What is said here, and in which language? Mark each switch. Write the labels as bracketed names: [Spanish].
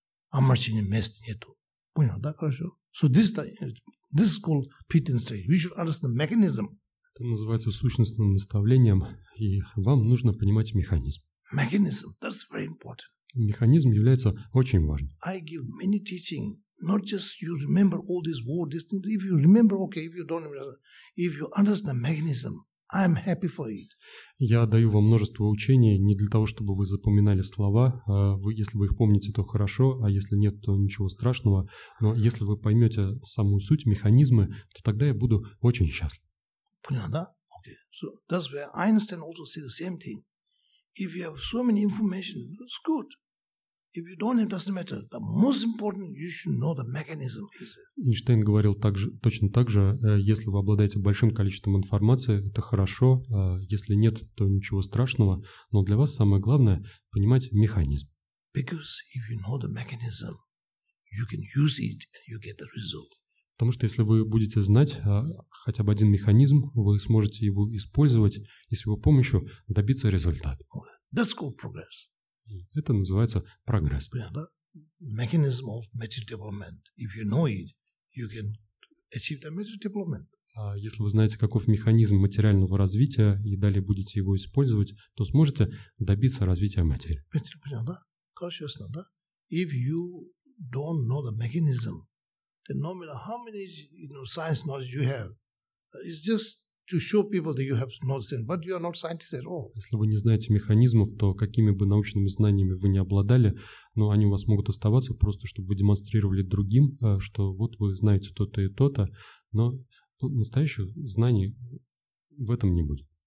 [Russian] Омрачения места нету. Понял, да, хорошо? [English] So this is called Pitin strategy. You should understand the mechanism. [Russian] Это называется сущностным наставлением, и вам нужно понимать механизм. [English] Mechanism, that's very important. [Russian] Механизм является очень важным. [English] I give many teaching, not just you remember all these words, this thing. If you remember, okay, if you don't remember, if you understand the mechanism, I'm happy for it. [Russian] Я даю вам множество учений не для того, чтобы вы запоминали слова. Если вы их помните, то хорошо, а если нет, то ничего страшного. Но если вы поймете самую суть, механизмы, то тогда я буду очень счастлив. Понятно, да? [English] Okay. So that's where Einstein also said the same thing. If you have so many information, it's good. If you don't, it doesn't matter. The most important, you should know the mechanism. [Russian] Эйнштейн говорил точно так же, если вы обладаете большим количеством информации, это хорошо, если нет, то ничего страшного, но для вас самое главное – понимать механизм. [English] Because if you know the mechanism, you can use it and you get the result. [Russian] Потому что если вы будете знать хотя бы один механизм, вы сможете его использовать и с его помощью добиться результата. [English] That's called progress. [Russian] Это называется прогресс. Понятно? [English] Mechanism of material development. If you know it, you can achieve the material development. [Russian] А если вы знаете, каков механизм материального развития, и далее будете его использовать, то сможете добиться развития материи. Понятно, да? Хорошо, ясно, да? [English] If you don't know the mechanism, then no matter how many science knowledge you have, it's just to show people that you have not seen, but you are not scientist at all. [Russian] Если вы не знаете механизмов, то какими бы научными знаниями вы не обладали, но они у вас могут оставаться просто, чтобы вы демонстрировали другим, что вот вы знаете то-то и то-то, но настоящих знаний в этом не будет.